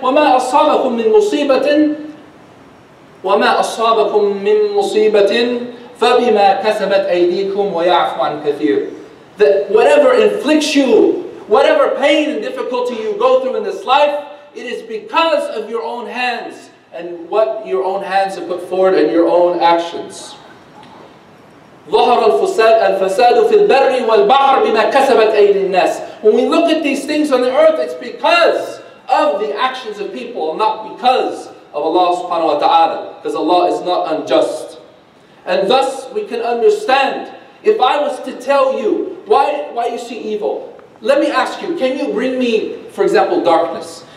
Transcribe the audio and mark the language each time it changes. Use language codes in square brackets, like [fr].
[ar] وَمَا أَصَابَكُم مِّن مُصِيبَةٍ وَمَا أَصَابَكُم مِّن مُصِيبَةٍ فَبِمَا كَسَبَتْ أَيْدِيكُمْ وَيَعْفُ عَنْ كَثِيرٍ. [en] That whatever inflicts you, whatever pain and difficulty you go through in this life, it is because of your own hands and what your own hands have put forward and your own actions. [ar] ظهر الفساد الفساد في البر والبحر بما كسبت أيدي الناس. [en] When we look at these things on the earth, it's because of the actions of people, not because of Allah subhanahu wa ta'ala, because Allah is not unjust. And thus we can understand, if I was to tell you why you see evil, let me ask you, can you bring me, for example, darkness?